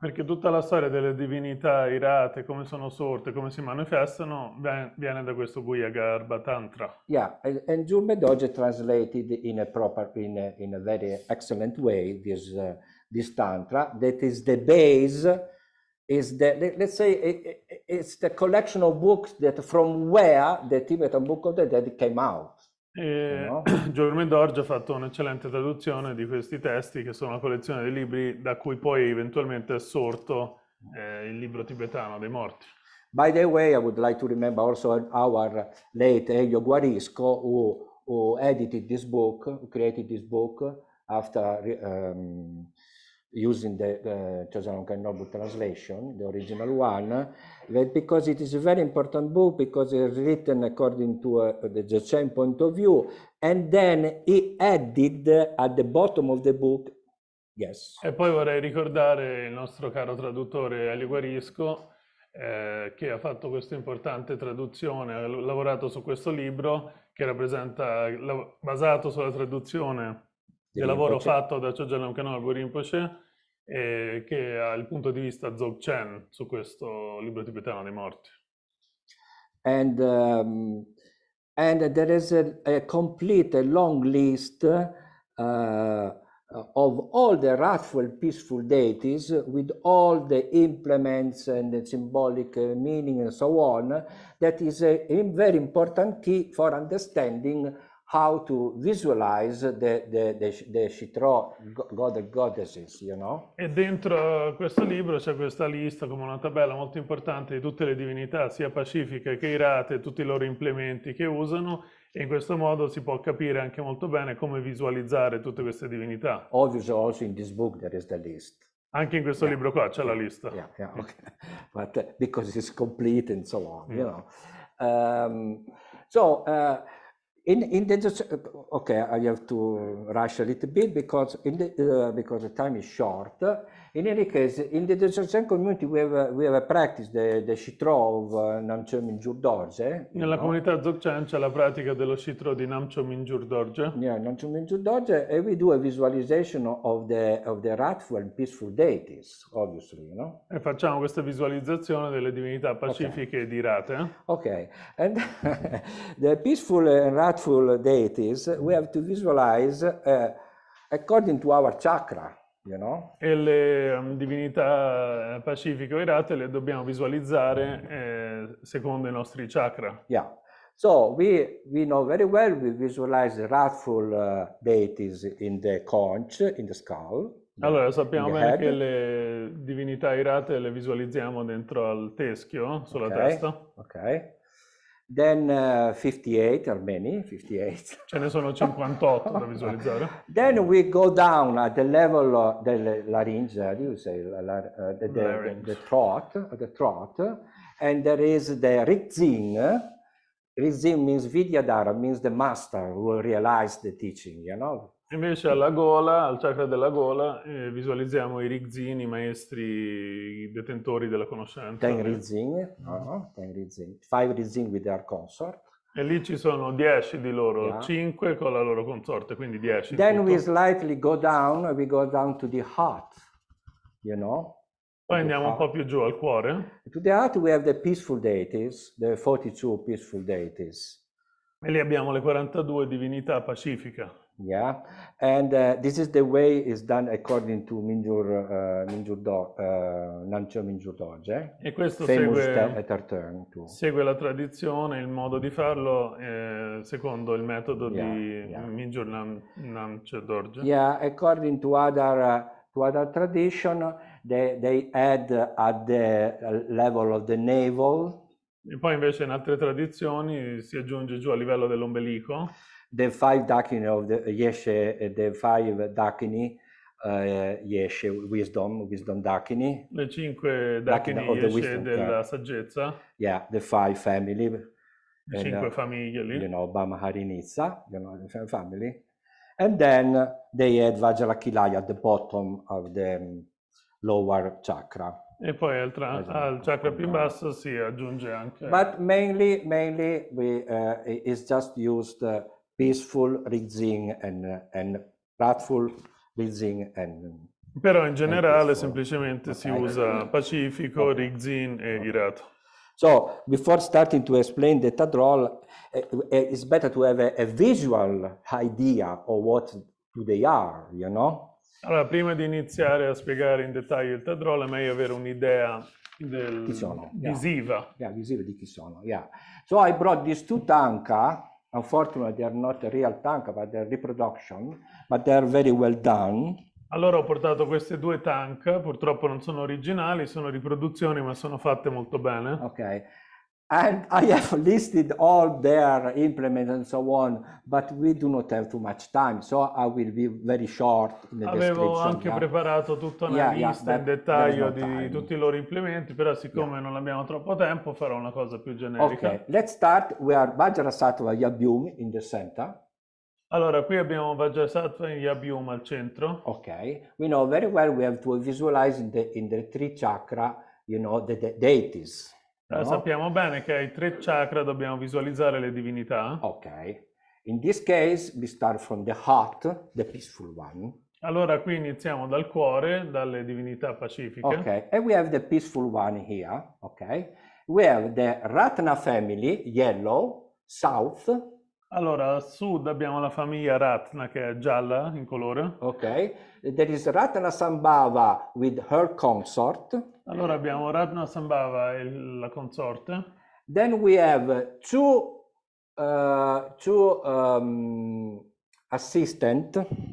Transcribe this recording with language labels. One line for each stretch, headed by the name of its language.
Italian: Perché tutta la storia delle divinità irate, come sono sorte, come si manifestano, viene da questo Guhyagarbha Tantra.
English: Yeah, and Jules Medorge translated in a very excellent way this tantra that is the base, it's the collection of books that from where the Tibetan Book of the Dead came out.
Italian: Jules Medorge ha fatto un'eccellente traduzione di questi testi, che sono una collezione di libri da cui poi eventualmente è sorto il libro tibetano dei morti.
English: By the way, I would like to remember also our late Elio Guarisco, who edited this book, who created this book after using the Chösung Kanobu translation, the original one, that because it is a very important book, because it's written according to the Dzogchen point of view, and then he added at the bottom of the book, yes.
Italian: E poi vorrei ricordare il nostro caro traduttore Elio Guarisco, che ha fatto questa importante traduzione, ha lavorato su questo libro, che rappresenta, basato sulla traduzione del lavoro fatto da Chögyam Lhokpa Norgu Rinpoche, che ha il punto di vista Dzogchen su questo libro tibetano dei morti.
English: And there is a complete, a long list of all the wrathful, peaceful deities with all the implements and the symbolic meaning and so on, that is a very important key for understanding how to visualize the Shitro god and goddesses, you know?
Italian: E dentro questo libro c'è questa lista, come una tabella molto importante, di tutte le divinità, sia pacifiche che irate, tutti i loro implementi che usano, e in questo modo si può capire anche molto bene come visualizzare tutte queste divinità.
English: Obviously also in this book there is the list.
Italian: Anche in questo, yeah, libro qua c'è la lista.
English: Yeah, okay. But because it's complete and so on, yeah, you know? In the, okay, I have to rush a little bit because the time is short. In any case, in the Dzogchen community we have a practice the Shitro of Namcho Mingyur Dorje.
Italian: Nella comunità Dzogchen c'è la pratica dello Shitro di Namcho Mingyur Dorje.
English: Yeah, Namcho Mingyur Dorje, and we do a visualization of the wrathful and peaceful deities, obviously, you know.
Italian: E facciamo questa visualizzazione delle divinità pacifiche ed irate.
English: Okay, and the peaceful and wrathful deities we have to visualize according to our chakra. You know?
Italian: E le divinità pacifiche o irate le dobbiamo visualizzare secondo i nostri chakra.
English: Yeah. So we know very well we visualize the wrathful deities in the conch, in the skull.
Italian: Allora sappiamo bene che le divinità irate le visualizziamo dentro al teschio, sulla testa.
English: Okay. Then 58 are many, 58.
Italian: Ce ne sono 58 da visualizzare.
English: Then we go down at the level of the larynx, how do you say, the throat, the throat, and there is the rizin. Rizin means vidyadhara, means the master who realized the teaching, you know?
Italian: Invece alla gola, al chakra della gola, visualizziamo i rizin, i maestri, i detentori della conoscenza.
English: Ten rizin, ten rizin, five rizin with their consort.
Italian: E lì ci sono 10 di loro, 5 con la loro consorte, quindi 10.
English: Then we slightly go down, we go down to the heart, you know?
Italian: Poi andiamo un po' più giù al cuore.
English: To the heart we have the peaceful deities, the 42 peaceful deities.
Italian: E lì abbiamo le 42 divinità pacifiche.
English: Yeah, and this is the way it's done according to Nanchö Minjur Doge.
Italian: E questo famous Tartern too. Segue la tradizione, il modo di farlo secondo il metodo di Minjur Nanchö Dorje.
English: Yeah, according to other tradition, they add at the level of the navel.
Italian: E poi invece in altre tradizioni si aggiunge giù a livello dell'ombelico.
English: The five dakini of the yeshe, the five dakini, yeshe, wisdom dakini.
Italian: Le cinque dakini
English: of the yeshe wisdom,
Italian: della saggezza.
English: Yeah, the five family.
Italian: Le cinque famiglie lì.
English: You know, Bama Harinitsa, you know, the family. And then they had Vajrakilaya at the bottom of the lower chakra.
Italian: E poi al chakra più basso si aggiunge anche.
English: But mainly we is just used peaceful rizin and wrathful rizin and.
Italian: Però in generale semplicemente si usa pacifico, rizin e irato.
English: So before starting to explain the tadrol, it's better to have a visual idea of what they are, you know.
Italian: Allora, prima di iniziare a spiegare in dettaglio il tadrol, è meglio avere un'idea del chi sono? Visiva.
English: Yeah,
Italian: visiva di chi sono,
English: yeah. So I brought these two tanka. Unfortunately, they are not a real tanka, but they're reproduction, but they are very well done.
Italian: Allora ho portato queste due tanka, purtroppo non sono originali, sono riproduzioni, ma sono fatte molto bene.
English: Okay. And I have listed all their implements and so on, but we do not have too much time, so I will be very short in the description.
Italian: Avevo anche preparato tutta una lista in dettaglio di tutti i loro implementi, però siccome non abbiamo troppo tempo, farò una cosa più generica.
English: Okay, let's start with Vajrasattva Yabhyum in the center.
Italian: Allora, qui abbiamo Vajrasattva in Yabhyum al centro.
English: Okay, we know very well we have to visualize in the three chakra, you know, the deities.
Italian: No? Sappiamo bene che ai tre chakra dobbiamo visualizzare le divinità. Ok.
English: In this case we start from the heart, the peaceful one.
Italian: Allora qui iniziamo dal cuore, dalle divinità pacifiche. Ok.
English: And we have the peaceful one here, okay? We have the Ratna family, yellow, south.
Italian: Allora a sud abbiamo la famiglia Ratna che è gialla in colore.
English: Ok. There is Ratna Sambhava with her consort.
Italian: Allora abbiamo Ratna Sambhava e la consorte.
English: Then we have two assistant.